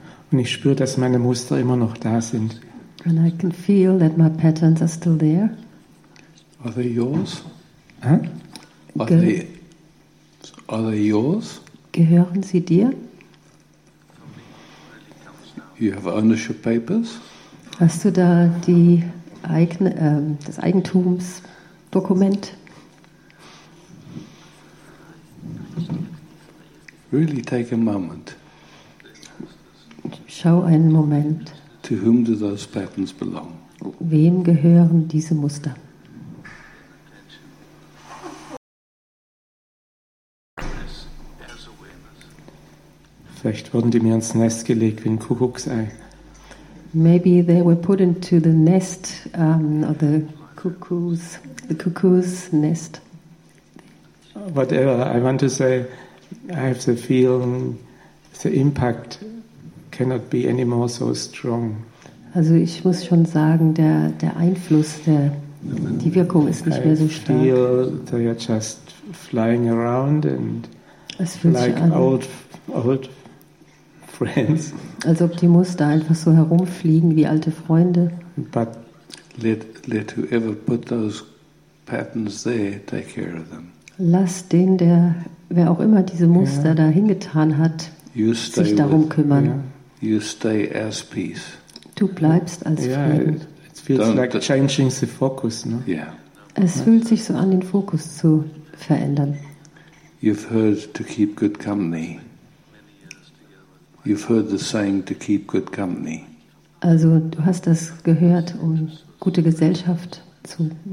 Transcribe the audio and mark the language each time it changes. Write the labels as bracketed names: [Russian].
[German] Und ich spüre, dass meine Muster immer noch da sind. [English] And I can feel that my patterns are still there. Are they yours? Huh? Are they yours? [German] Gehören sie dir? [English] You have ownership papers? [German] Hast du da das Eigentumsdokument? [English] Really take a moment. [German] Schau einen Moment. [English] To whom do those patterns belong? [German] Wem gehören diese Muster? Vielleicht wurden die mir ins Nest gelegt wie ein Kuckucksei. [English] Maybe they were put into the nest of the cuckoos, the cuckoo's nest. Whatever I want to say, I have the feeling the impact cannot be any more so strong. [German] Also ich muss schon sagen, der Einfluss, die Wirkung ist nicht mehr so stark. [English] I feel they are just flying around and like old friends. [German] Als ob die Muster einfach so herumfliegen wie alte Freunde. [English] But let whoever put those patterns there take care of them. [German] Lass den, der wer auch immer diese Muster da hingetan hat, sich darum kümmern. [English] Yeah. You stay as peace. [German] Du bleibst als Frieden. [English] It feels like changing the focus, no? Yeah. [German] Es fühlt sich so an, den Fokus zu verändern. [English] You've heard to keep good company. You've heard the saying to keep good company. [German] Also, du hast das gehört, um gute Gesellschaft zu.